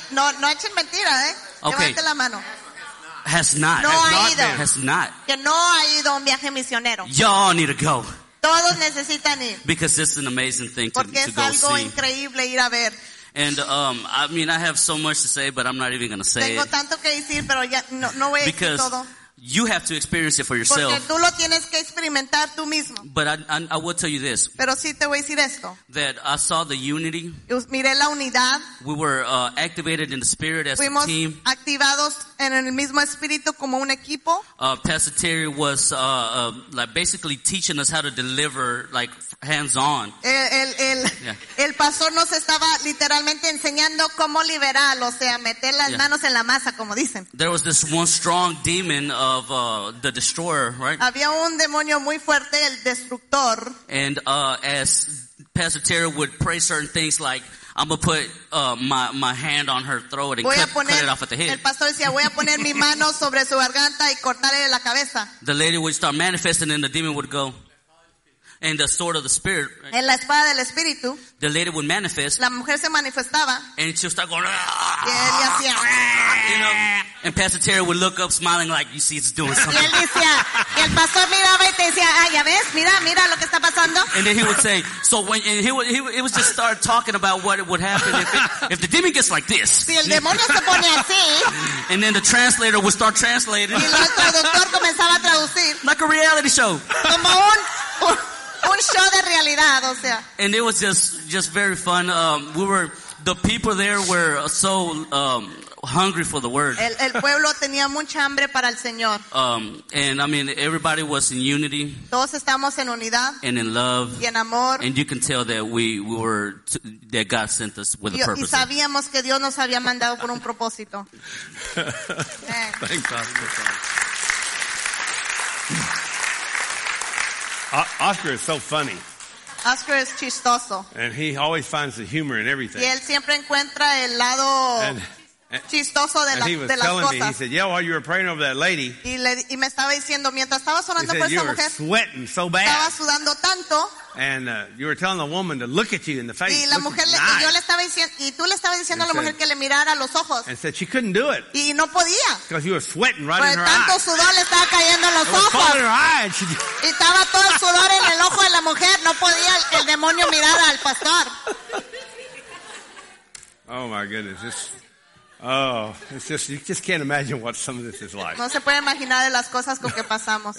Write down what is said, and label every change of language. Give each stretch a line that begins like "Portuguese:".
Spanish: No echen mentira, eh.
English: Okay.
Spanish: La mano.
English: Has not.
Spanish: No has ha ido.
English: Been. Has not.
Spanish: Que no ha ido un viaje misionero.
English: Y'all need to go.
Spanish: Todos necesitan ir.
English: Because this is an amazing thing to go see.
Spanish: Porque es algo increíble ir a ver.
English: And I have so much to say, but I'm not even going to say
Spanish: tengo
English: it.
Spanish: Tengo tanto que decir, pero ya no voy a decir
English: because
Spanish: todo.
English: You have to experience it for yourself.
Spanish: Porque tú lo tienes que experimentar tú mismo.
English: But I will tell you this.
Spanish: Pero sí te voy a decir esto.
English: That I saw the unity.
Spanish: Miré la unidad.
English: We were activated in the spirit as
Spanish: fuimos
English: a team.
Spanish: Fuimos activados en el mismo espíritu como un equipo.
English: Pastor Terry was like basically teaching us how to deliver like hands on.
Spanish: El pastor nos estaba literalmente enseñando cómo liberar, o sea, meter las manos en la masa, como dicen.
English: There was this one strong demon of the destroyer, right?
Spanish: Había un demonio muy fuerte, el destructor.
English: And as Pastor Terry would pray certain things like, I'm gonna put my hand on her throat and cut it off at the head.
Spanish: El pastor decía, voy a poner mi mano sobre su garganta y cortarle la cabeza.
English: The lady would start manifesting and the demon would go. And the sword of the spirit.
Spanish: En la espada del espíritu.
English: The lady would manifest.
Spanish: La mujer se manifestaba.
English: And she would start going.
Spanish: Y él hacía,
English: you know. And Pastor Terry would look up smiling like, you see, it's doing something.
Spanish: Y él decía, y el pastor miraba y te decía, ay, ya ves, mira lo que está pasando.
English: And then he would say, so when, and he would just start talking about what would happen if the demon gets like this.
Spanish: Si el demonio se pone así.
English: And then the translator would start translating.
Spanish: Y el traductor comenzaba a traducir.
English: Like a reality show.
Spanish: Como un un show de realidad, o sea.
English: And it was just very fun. We were the people there were so hungry for the word.
Spanish: El pueblo tenía mucha hambre para el Señor.
English: And I mean, everybody was in unity.
Spanish: Todos estamos en unidad.
English: And in love.
Spanish: Y en amor.
English: And you can tell that we were that God sent us with a purpose.
Spanish: Y sabíamos que Dios nos había mandado por un propósito.
English: Thank God. Oscar is so funny.
Spanish: Oscar is chistoso.
English: And he always finds the humor in everything.
Spanish: Y él siempre encuentra el lado chistoso de las cosas.
English: And he was telling me, he said, yeah, while you were praying over that lady,
Spanish: y me estaba diciendo, mientras estabas orando por esa mujer,
English: he said, you were sweating so bad.
Spanish: Estaba sudando tanto.
English: And you were telling the woman to look at you in the face.
Spanish: Y la mujer le, yo le estaba diciendo, y tú le estabas diciendo a la mujer que le mirara a los ojos.
English: And said she couldn't do it.
Spanish: Y no podía.
English: Because you were sweating right in her eye.
Spanish: Tanto sudor le estaba cayendo en los ojos.
English: It was caught in her eye.
Spanish: Y estaba todo el sudor en el ojo de la mujer. No podía el demonio mirar al pastor.
English: Oh my goodness. You just can't imagine what some of this is like.
Spanish: No se puede imaginar de las cosas con que pasamos.